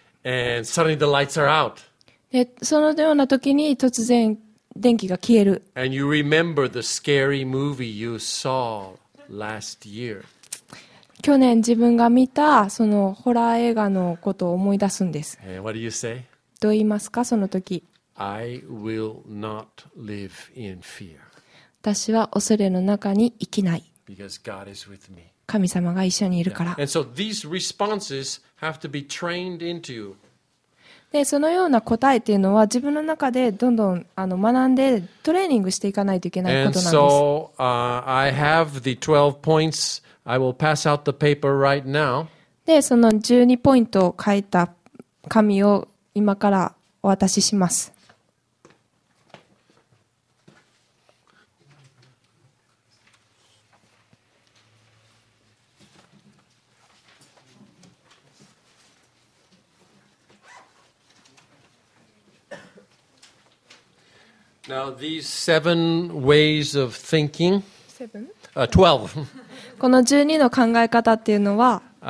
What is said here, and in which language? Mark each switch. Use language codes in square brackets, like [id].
[en] And suddenly the lights are out. [ja] でそのような時に突然電気が消える。 [en] And you remember the scary movie you saw last year. [ja] 去年自分が見たそのホラー映画のことを思い出すんです。 [en] And what do you say? [ja] どう言いますかその時 [en] I will not live in fear. [ja] 私は恐れの中に生きない [en] Because God is with me. [ja] 神様が一緒にいるから、 [en] yeah. And so these responses have to be trained into you. [ja] でそのような答えっていうのは自分の中でどんどん学んでトレーニングしていかないといけないことなんです [en] And so, I have the 12 points. I will pass out the paper right now. [ja] でその12ポイントを書いた紙を今からお渡しします。 [en] Now these seven ways of thinking. Seven. Twelve. [ja] この十二の考え方っていうのは、